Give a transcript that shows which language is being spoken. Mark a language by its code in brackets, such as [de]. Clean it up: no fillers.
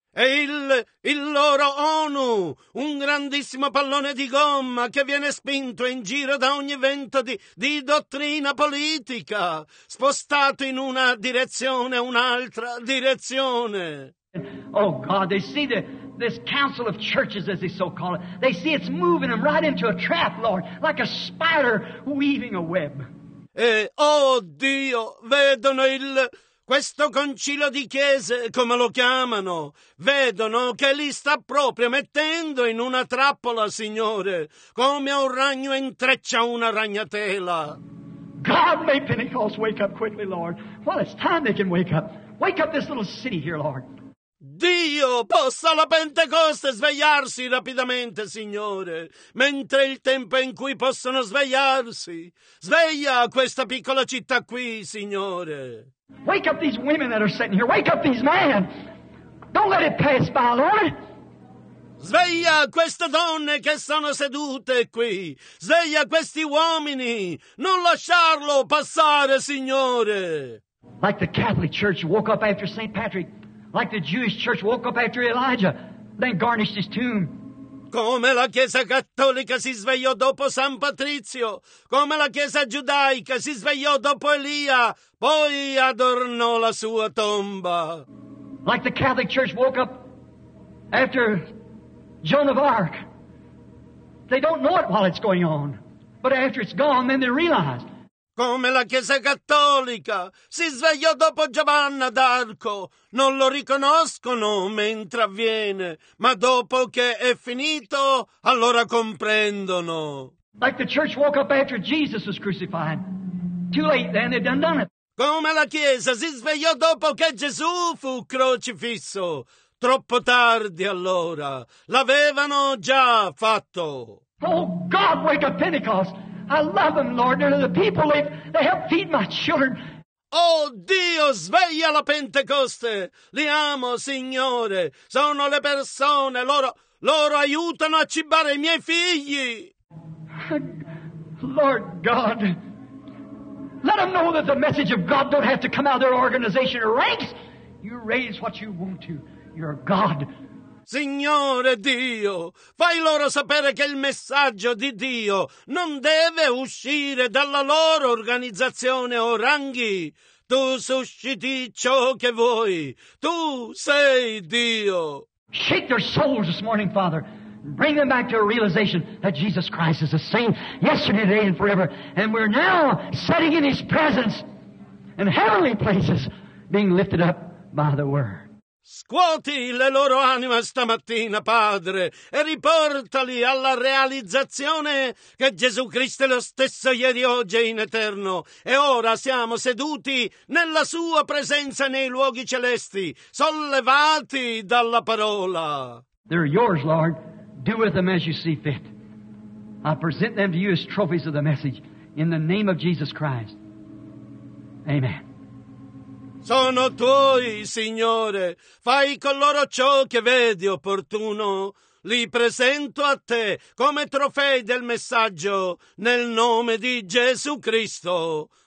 [it] E il loro ONU, un grandissimo pallone di gomma che viene spinto in giro da ogni vento di dottrina politica, spostato in una direzione, un'altra direzione. [en] Oh God, they see this council of churches, as they so call it, they see it's moving them right into a trap, Lord, like a spider weaving a web. [it] E oh Dio, vedono questo concilio di chiese, come lo chiamano, vedono che li sta proprio mettendo in una trappola, Signore, come un ragno intreccia una ragnatela. [en] God, may Pentecost wake up quickly, Lord. Well, it's time they can wake up. Wake up this little city here, Lord. [it] Dio possa la Pentecoste svegliarsi rapidamente, Signore, mentre il tempo in cui possono svegliarsi. Sveglia questa piccola città qui, Signore. [en] Wake up these women that are sitting here. Wake up these men. Don't let it pass by, Lord. [it] Sveglia queste donne che sono sedute qui. Sveglia questi uomini. Non lasciarlo passare, Signore. [en] Like the Catholic Church woke up after St. Patrick. Like the Jewish church woke up after Elijah, then garnished his tomb. [it] Come la Chiesa Cattolica si svegliò dopo San Patrizio, come la Chiesa Giudaica si svegliò dopo Elia, poi adornò la sua tomba. [en] Like the Catholic Church woke up after Joan of Arc. They don't know it while it's going on, but after it's gone, then they realize. [it] Come la Chiesa Cattolica si svegliò dopo Giovanna d'Arco. Non lo riconoscono mentre avviene, ma dopo che è finito, allora comprendono. [en] Like the church woke up after Jesus was crucified. Too late then, they've done it. [it] Come la Chiesa si svegliò dopo che Gesù fu crocifisso. Troppo tardi allora. L'avevano già fatto. [en] Oh, God, wake up Pentecost! I love them, Lord. They're the people they help feed my children. [it] Oh, Dio, sveglia la Pentecoste. Li amo, Signore. Sono le persone. Loro aiutano a cibare i miei figli. [en] Lord God, let them know that the message of God don't have to come out of their organization or ranks. You raise what you want to. You're God. [it] Signore Dio, fai loro sapere che il messaggio di Dio non deve uscire dalla loro organizzazione o ranghi. Tu susciti ciò che vuoi. Tu sei Dio. [en] Shake their souls this morning, Father. Bring them back to a realization that Jesus Christ is the same yesterday, today, and forever. And we're now sitting in His presence in heavenly places, being lifted up by the Word. [it] Scuoti le loro anime stamattina, Padre, e riportali alla realizzazione che Gesù Cristo è lo stesso ieri, oggi e in eterno. E ora siamo seduti nella Sua presenza nei luoghi celesti, sollevati dalla parola. [en] They're yours, Lord. Do with them as you see fit. I present them to you as trophies of the message in the name of Jesus Christ. Amen. [it] Sono tuoi, Signore. Fai con loro ciò che vedi opportuno. Li presento a te come trofei del messaggio nel nome di Gesù Cristo.